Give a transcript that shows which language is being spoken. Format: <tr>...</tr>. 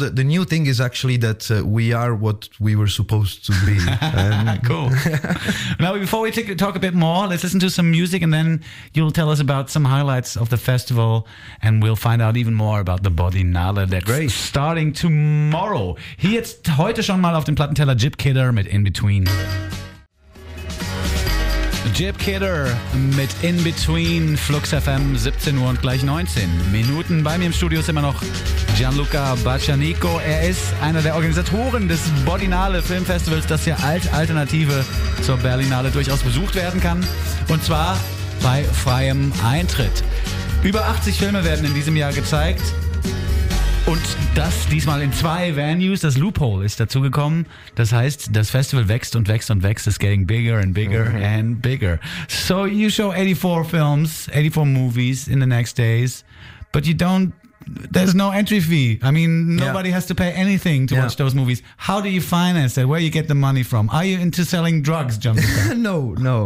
<en>Now the new thing is actually that we are what we were supposed to be. Cool. Now, before we talk a bit more, let's listen to some music, and then you'll tell us about some highlights of the festival, and we'll find out even more about the Berlinale that's great. Starting tomorrow.</en> <de>Hier jetzt heute schon mal auf dem Plattenteller Gyp Kidder mit In Between. Gyp Kidder mit In Between, Flux FM, 17 Uhr und gleich 19 Minuten. Bei mir im Studio ist immer noch Gianluca Baccianico. Er ist einer der Organisatoren des Berlinale Filmfestivals, das ja als Alternative zur Berlinale durchaus besucht werden kann. Und zwar bei freiem Eintritt. Über 80 Filme werden in diesem Jahr gezeigt. Und das diesmal in zwei Venues. Das Loophole ist dazugekommen. Das heißt, das Festival wächst und wächst und wächst.</de> <en>It's getting bigger and bigger and bigger. So you show 84 films, 84 movies in the next days, but you don't, there's no entry fee. I mean, nobody has to pay anything to watch those movies. How do you finance it? Where you get the money from? Are you into selling drugs, John? No.</en>